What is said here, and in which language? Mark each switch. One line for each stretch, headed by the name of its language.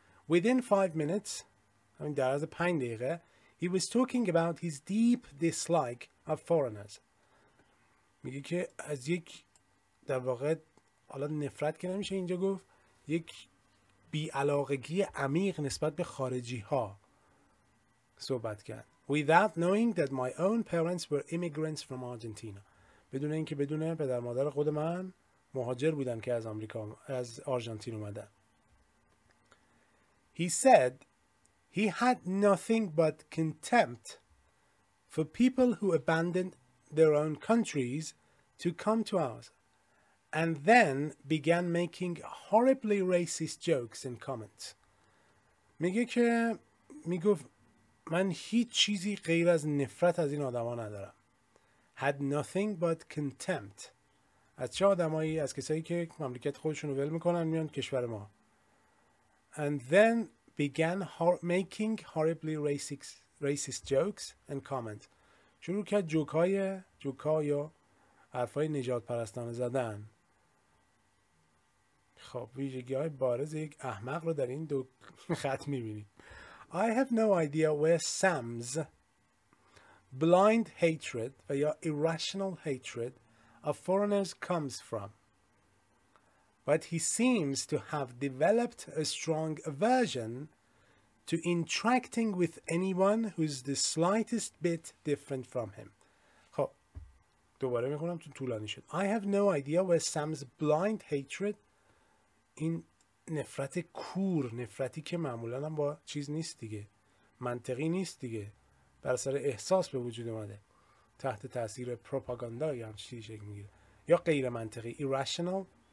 English: Within 5 minutes, I mean,
Persian: در عرض 5 دقیقه,
English: he was talking about his deep dislike of foreigners.
Persian: میگه که از یک در واقع حالا نفرت که نمیشه اینجا گفت یک بیعلاقگی عمیق نسبت به خارجی ها صحبت کرد.
English: Without knowing that my own parents were immigrants from Argentina.
Persian: بدون این که بدونه پدر مادر خود من مهاجر بودن که از آمریکا از آرژانتین اومدن.
English: He said he had nothing but contempt for people who abandoned their own countries to come to ours and then began making horribly racist jokes and comments.
Persian: میگه که میگفت من هیچ چیزی غیر از نفرت از این آدما ندارم.
English: Had nothing but contempt.
Persian: از چه آدمایی؟ از کسایی که مملکت خودشون رو ول میکنن میان کشور ما.
English: And then began making horribly racist jokes and comments.
Persian: شروع کرد جوکای یا حرفای نجات پرستانه زدن. خب ویژگی های بارز یک احمق رو در این دو خط میبینید.
English: I have no idea where Sam's blind hatred
Persian: و یا
English: irrational hatred a foreigner comes from, but he seems to have developed a strong aversion to interacting with anyone who's the slightest bit different from him.
Persian: خب دوباره میخونم چون طولانی شد.
English: I have no idea where Sam's blind hatred,
Persian: این نفرت کور، نفرتی که معمولا هم با چیز نیست دیگه، منطقی نیست دیگه، بر اثر احساس به وجود اومده تحت تاثیر پروپاگاندا یا چیزی شکل میگیره یا غیر منطقی
English: irrational.